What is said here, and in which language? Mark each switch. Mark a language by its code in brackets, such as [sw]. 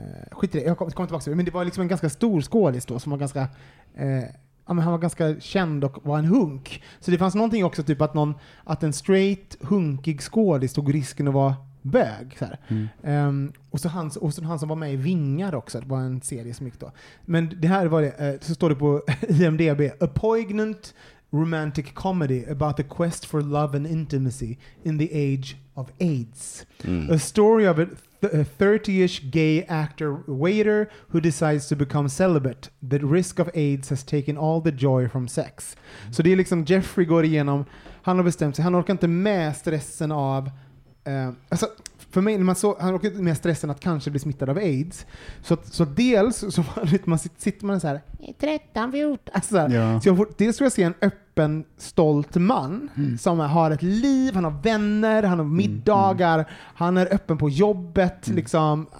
[sv] skit i det, jag kommer tillbaka till det. Men det var liksom en ganska stor skådis då som var ganska... han var ganska känd och var en hunk. Så det fanns någonting också typ att att en straight, hunkig skådis tog risken att vara bög. Så här. Mm. Och så han som var med i Vingar också. Det var en serie som gick då. Men det här var det. Så står det på IMDb. [en] A poignant romantic comedy about the quest for love and intimacy in the age of AIDS. Mm. A story of a 30-ish gay actor waiter who decides to become celibate. The risk of AIDS has taken all the joy from sex. [sv] Så det är liksom Jeffrey går igenom. Han har bestämt sig. Han orkar inte med stressen av... alltså, för mig, han orkar inte med stressen att kanske bli smittad av AIDS. Så dels så man sitter man så här... 13-14. Alltså så dels får jag se en öppen, stolt man som har ett liv, han har vänner, han har middagar, han är öppen på jobbet. Mm. Liksom.